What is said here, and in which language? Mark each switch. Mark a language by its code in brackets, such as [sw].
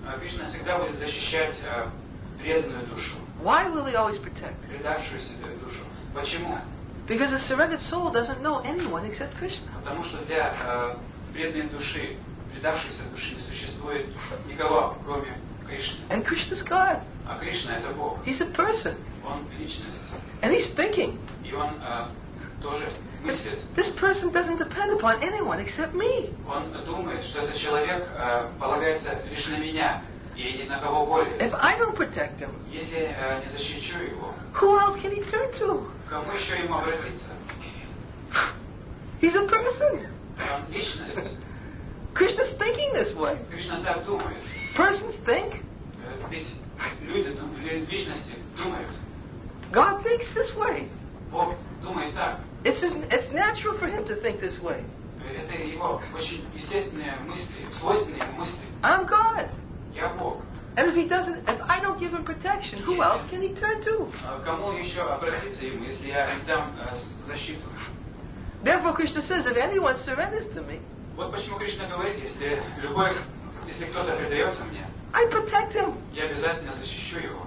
[ru] Кришна всегда будет защищать преданную душу. [en] Why will he always protect? [ru] Предавшуюся душу. Почему? [en] Because a surrendered soul doesn't know anyone except Krishna. [ru] Потому что для преданной души, предавшейся души, не существует никого, кроме Кришны. [en] And Krishna's God. [ru] А Кришна — это Бог. [en] He's a person. [ru] Он — личность. [en] And he's thinking. [ru] И он тоже мыслит. [en] This person doesn't depend upon anyone except me. [ru] Он думает, что этот человек полагается лишь на меня и ни на кого более. [en] If I don't protect him, [ru] если не защищу его, [en] who else can he turn to? [ru] Кому еще ему обратиться? [en] He's a person. [ru] Личность. [en] Krishna's thinking this way. [ru] Кришна так думает. [en] Persons think. [ru] Личности думают. [en] God thinks this way. [ru] Бог думает так. [en] It's natural for him to think this way. [ru] Это его очень естественные мысли, свойственные мысли. [en] I'm God. [ru] Я Бог. [en] And if he doesn't, if I don't give him protection, who else can he turn to? [ru] Кому еще обратиться ему, если я не дам защиту? [en] Therefore, Krishna says, if anyone surrenders to me, [ru] вот почему Кришна говорит, если любой, если кто-то предается мне, [en] I protect him. [ru] Я обязательно защищу его.